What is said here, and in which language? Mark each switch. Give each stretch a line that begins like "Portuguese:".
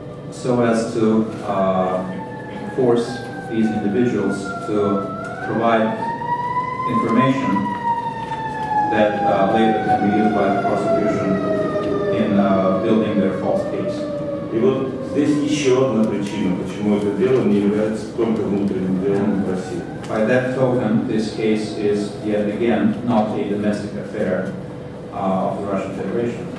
English: so as to force these individuals to provide information that later can be used by the prosecution in building their false case.
Russian: И вот здесь еще одна причина, почему это дело не является только внутренним делом в России.
English: By that token, this case is yet again not a domestic affair of the Russian Federation.